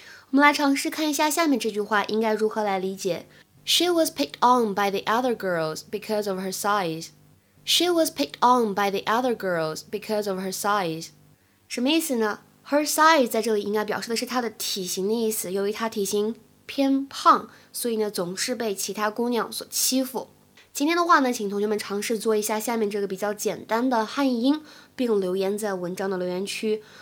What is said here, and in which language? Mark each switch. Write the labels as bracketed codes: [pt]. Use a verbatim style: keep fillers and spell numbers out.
[zh] 我们来尝试看一下下面这句话应该如何来理解。 [en] She was picked on by the other girls because of her size. She was picked on by the other girls because of her size. [zh] 什么意思呢？ [en] Her size [zh] 在这里应该表示的是她的体型的意思，由于她体型偏胖，所以呢总是被其他姑娘所欺负。今天的话呢，请同学们尝试做一下下面这个比较简单的汉译音，并留言在文章的留言区。